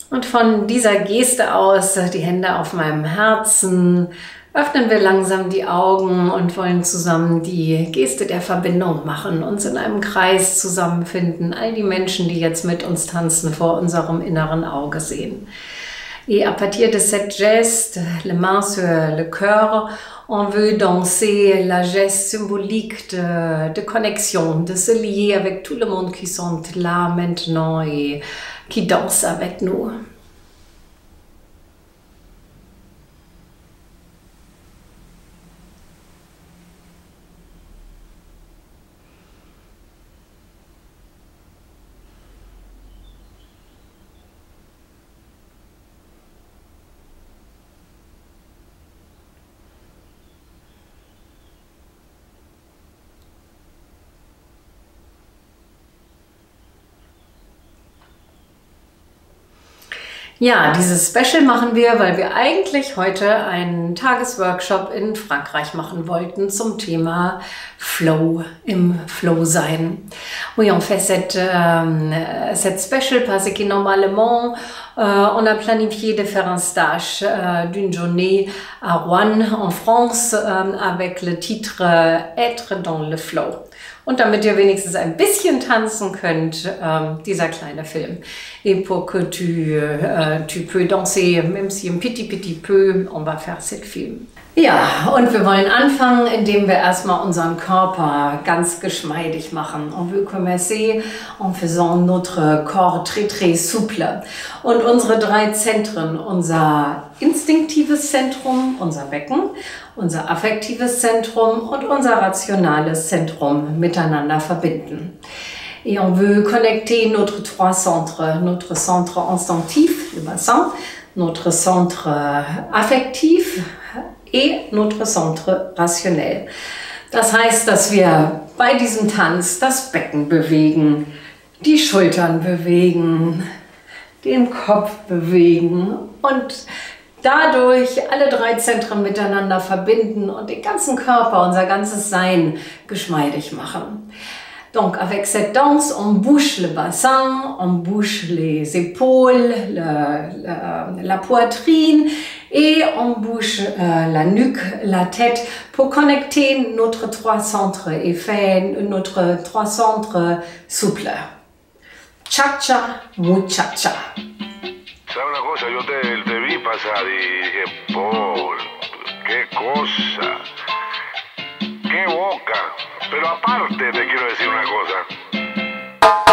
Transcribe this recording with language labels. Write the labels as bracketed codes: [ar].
[de] Von dieser Geste aus, die Hände auf meinem Herzen, öffnen wir langsam die Augen und wollen zusammen die Geste der Verbindung machen, uns in einem Kreis zusammenfinden, all die Menschen, die jetzt mit uns tanzen, vor unserem inneren Auge sehen. [fr] Et à partir de cet geste, les mains sur le cœur, on veut danser la geste symbolique de connexion, de se lier avec tout le monde qui sont là maintenant et qui danse avec nous. [de] Ja, dieses Special machen wir, weil wir eigentlich heute einen Tagesworkshop in Frankreich machen wollten zum Thema Flow, im Flow sein. [fr] Oui, on fait cette Special parce que normalement on a planifié de faire un stage d'une journée à Rouen en France avec le titre Être dans le Flow. [de] Und damit ihr wenigstens ein bisschen tanzen könnt, dieser kleine Film. [fr] Et pour que tu peux danser, même si un petit peu, on va faire cette film. [de] Ja, und wir wollen anfangen, indem wir erstmal unseren Körper ganz geschmeidig machen. [fr] On veut commencer en faisant notre corps très très souple. [de] Und unsere drei Zentren, unser instinktives Zentrum, unser Becken, unser affektives Zentrum und unser rationales Zentrum miteinander verbinden. [fr] Et on veut connecter notre trois centres, notre centre instinctif, le bassin, notre centre affectif et notre centre rationnel. [de] Das heißt, dass wir bei diesem Tanz das Becken bewegen, die Schultern bewegen, den Kopf bewegen und dadurch alle drei Zentren miteinander verbinden und den ganzen Körper, unser ganzes Sein geschmeidig machen. [fr] Donc, avec cette danse, on bouche le bassin, on bouche les épaules, la poitrine et on bouche la nuque, la tête pour connecter notre trois centres et faire notre trois centres souples. [es] Cha-cha, muchacha. ¿Sabes una cosa? Yo te vi pasar y dije, Paul, qué cosa, qué boca. Pero aparte te quiero decir una cosa.